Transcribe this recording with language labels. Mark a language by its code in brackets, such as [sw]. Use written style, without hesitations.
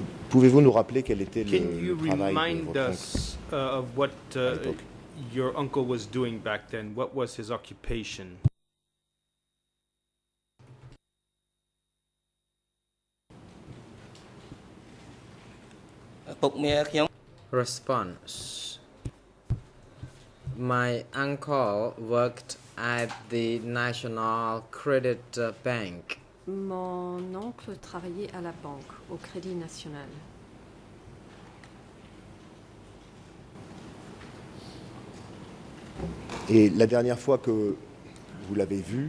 [fr] Pouvez-vous nous rappeler quel était le travail de votre oncle [en] of what your uncle was doing back then? What was his occupation? Response. My uncle worked at the National Credit Bank. [fr] Mon oncle travaillait à la banque, au Crédit National. Et la dernière fois que vous l'avez vu,